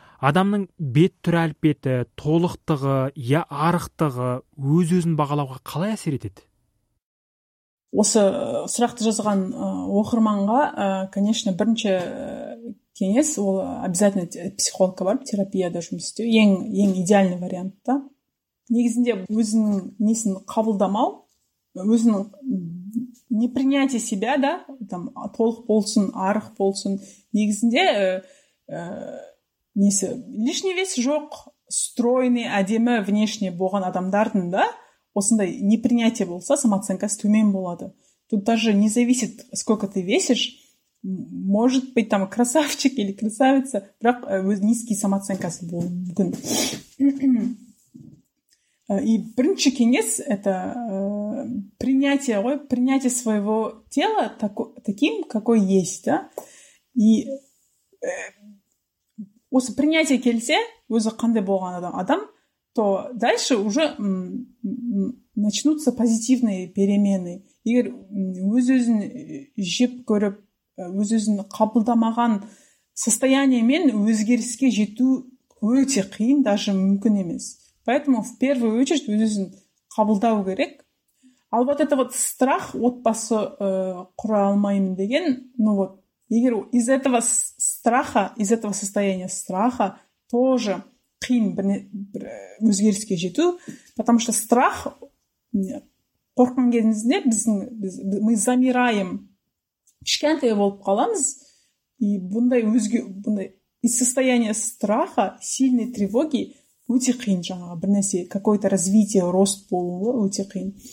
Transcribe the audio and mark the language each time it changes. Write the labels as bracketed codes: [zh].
[kk] Адамның бет түрі әлпеті, толықтығы, я арықтығы өз-өзін бағалауға қалай әсер етеді? Осы сұрақты жазған оқырманға, [ru] конечно, [kk] бірінші кеңес ол [ru] обязательно [kk] психологқа барып терапияда жұмыс істеу. Ең [ru] идеальный вариант [kk] та. Негізінде өзінің несін қабылдамау, өзінің [ru] непринятие себя, да, [kk] там толық болсын, арық болсын. Негізінде несі, [ru] лишний вес [kk] жоқ, [ru] стройный, [kk] әдемі [ru] внешне [kk] болған адамдардың да осындай [ru] непринятие [kk] болса, самооценкасы төмен болады. [ru] Тут даже не зависит, сколько ты весишь. Может быть, там красавчик или красавица, [kk] бірақ [ru] низкий самооценкасы [kk] болуы мүмкін. [ru] И [kk] бірінші кеңес [ru] – это принятие, ой, принятие своего тела таким, какой есть. Да? И осы принятие [kk] келсе, өзі қандай болған адам, [ru] то дальше уже начнутся позитивные перемены. [kk] Егер өз-өзін жеп көріп, өз-өзін қабылдамаған [ru] состояние [kk] мен өзгеріске жету өте қиын, [ru] даже [kk] мүмкін емес. [ru] Поэтому в первую очередь [kk] өз-өзін қабылдау керек. [ru] Ал вот это вот страх [kk] отбасы құра алмаймын деген, [ru] ну вот, егер из этого страха, из этого состояния страха тоже [kk] қиын бір өзгеріске жету, [ru] потому что страх, [kk] қорқан кезімізде [ru] мы замираем, [kk] кішкентай болып қаламыз, [ru] и бұндай из состояния страха, сильной тревоги, [kk] өте қиын жаңа, бір нәрсе, [ru] какой-то развитие, рост [kk] болуы өте қиын.